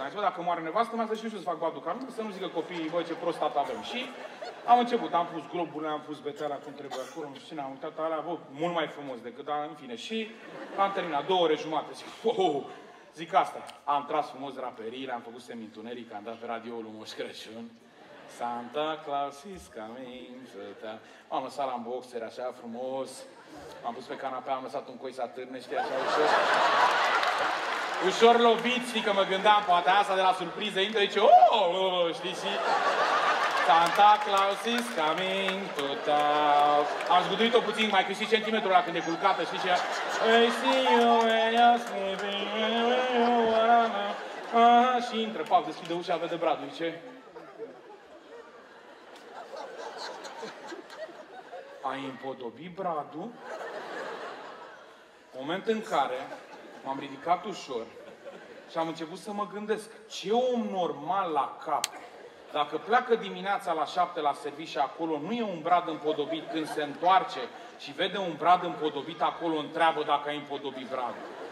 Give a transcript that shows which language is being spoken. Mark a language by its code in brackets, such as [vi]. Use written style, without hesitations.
[ro] Am zis, bă, dacă moare nevastă, mai să știu și eu să fac badul, că să nu zică copiii, bă, ce prost tată avem. Și am început, am pus globurile, am pus bețeala cum trebuie acolo, nu știu, am uitat alea, bă, mult mai frumos decât, dar în fine. Și am terminat, 2 ore jumate, zic, oh, zic asta. Am tras frumos draperiile, am făcut semi-întuneric, am dat pe radio lui Moș Crăciun. [en] Santa Claus is coming to town. [ro] Am lăsat la în boxer, așa frumos. Am pus pe canapea, am lăsat un coi să atârne, știi, așa ușor. Ușor lovit, știi, că mă gândeam, poate asta de la surpriză, intră, zice, oh, știi, și... [en] Santa Claus is coming to town. [ro] Am zguduit-o puțin, mai câștigi centimetrul ăla când e culcată, știi ce? [en] I see you when you're sleeping, when you wanna... [ro] Aha, și intră, pac, deschide ușa, vede bradul, zice... Ai împodobit bradul? Moment în care m-am ridicat ușor și am început să mă gândesc, ce om normal la cap, dacă pleacă dimineața la 7 la servici acolo, nu e un brad împodobit, când se întoarce și vede un brad împodobit acolo, întreabă dacă ai împodobit bradul.